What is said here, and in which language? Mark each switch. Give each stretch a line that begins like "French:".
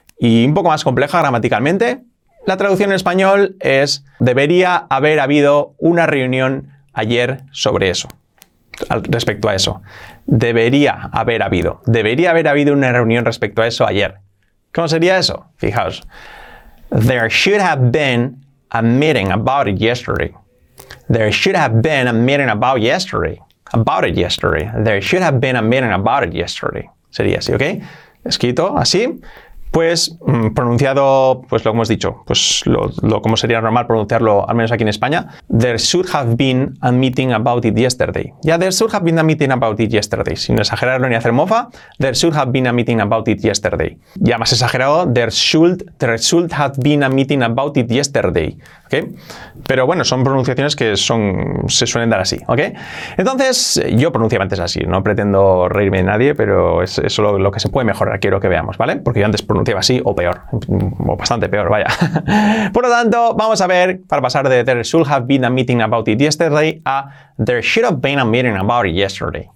Spanish: Y un poco más compleja gramaticalmente. La traducción en español es debería haber habido una reunión ayer sobre eso. Respecto a eso. Debería haber habido. Debería haber habido una reunión respecto a eso ayer. ¿Cómo sería eso? Fijaos.
English: There should have been a meeting about it yesterday. There should have been a meeting about yesterday. About it yesterday. There should have been a meeting about it yesterday.
Spanish: Sería así, ¿ok? Escrito así. Pues pronunciado, pues lo que hemos dicho, pues lo como sería normal pronunciarlo, al menos aquí en España.
English: There should have been a meeting about it yesterday. Yeah, there should have been a meeting about it yesterday.
Spanish: Sin exagerarlo ni hacer mofa,
English: there should have been a meeting about it yesterday.
Spanish: Ya más exagerado,
English: there should have been a meeting about it yesterday. ¿Ok?
Spanish: Pero bueno, son pronunciaciones que se suelen dar así. ¿Ok? Entonces, yo pronunciaba antes así. No pretendo reírme de nadie, pero es solo lo que se puede mejorar. Quiero que veamos, ¿vale? Porque yo antes pronunciaba así o peor. O bastante peor, vaya. Por lo tanto, vamos a ver, para pasar de
English: there should have been a meeting about it yesterday a there should have been a meeting about it yesterday.